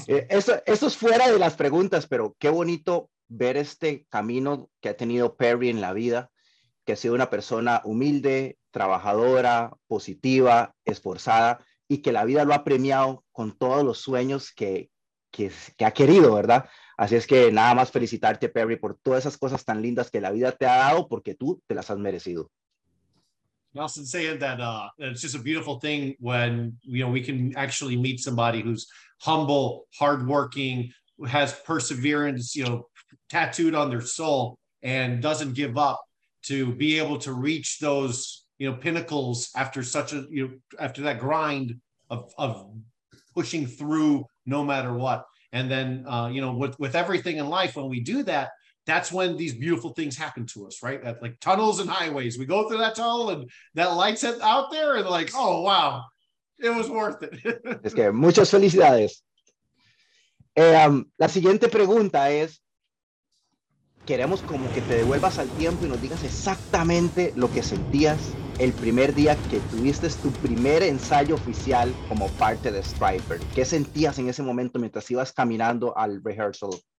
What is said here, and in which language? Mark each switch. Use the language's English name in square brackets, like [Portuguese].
[Spanish] Eso es fuera de las preguntas, pero qué bonito ver este camino que ha tenido Perry en la vida, que ha sido una persona humilde, trabajadora, positiva, esforzada, y que la vida lo ha premiado con todos los sueños que ha querido, ¿verdad? Así es que nada más felicitarte, Perry, por todas esas cosas tan lindas que la vida te ha dado porque tú te las has merecido. [English] Nelson saying that it's just a beautiful thing when, you know, we can actually meet somebody who's humble, hardworking, has perseverance, you know, tattooed on their soul and doesn't give up, to be able to reach those, you know, pinnacles after such a, you know, after that grind of pushing through no matter what. And then, you know, with everything in life, when we do that, that's when these beautiful things happen to us, right? At, like tunnels and highways. We go through that tunnel and that light's out there and like, oh, wow, it was worth it. [Spanish] Es que muchas felicidades. La siguiente pregunta es, queremos como que te devuelvas al tiempo y nos digas exactamente lo que sentías el primer día que tuviste tu primer ensayo oficial como parte de Stryper. ¿Qué sentías en ese momento mientras ibas caminando al rehearsal?